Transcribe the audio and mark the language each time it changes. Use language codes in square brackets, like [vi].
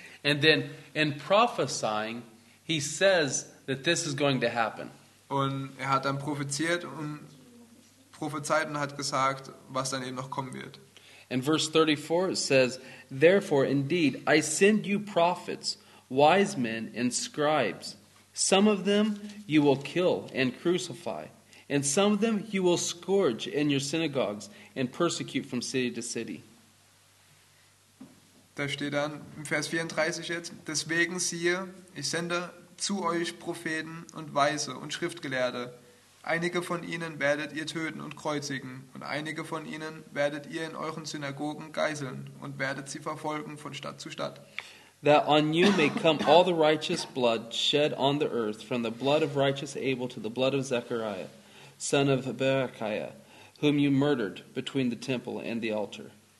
[en] And then in prophesying, he says that this is going to happen. [de] Und er hat dann prophezeit und hat gesagt, was dann eben noch kommen wird. [en] In verse 34 it says, therefore indeed I send you prophets, wise men and scribes. Some of them you will kill and crucify, and some of them you will scourge in your synagogues and persecute from city to city. [de] Da steht dann im Vers 34 jetzt, deswegen siehe, ich sende zu euch Propheten und Weise und Schriftgelehrte. Einige von ihnen werdet ihr töten und kreuzigen, und einige von ihnen werdet ihr in euren Synagogen geißeln und werdet sie verfolgen von Stadt zu Stadt. [en] That on you may come all the righteous blood shed on the earth, from the blood of righteous Abel to the blood of Zechariah, son of Berechiah, whom you murdered between the temple and the altar.